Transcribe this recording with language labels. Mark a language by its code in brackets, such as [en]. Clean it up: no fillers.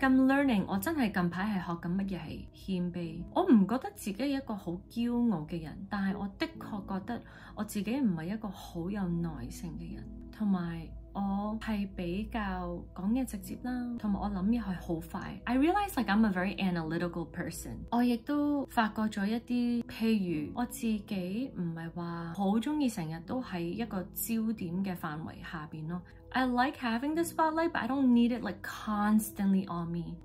[en] Like I'm learning， [yue] 我真的近排是学紧乜嘢系谦卑。我不觉得自己是一个很骄傲的人，但是我的确觉得我自己不是一个很有耐性的人，同埋我是比较讲嘢直接啦，同埋我想嘢系好快。 [en] I realize like I'm a very analytical person。 [yue] 我亦都发觉咗一啲，譬如我自己唔系话好中意成日都喺一个焦点嘅范围下边咯。 [en] I like having the spotlight, but I don't need it like constantly on me。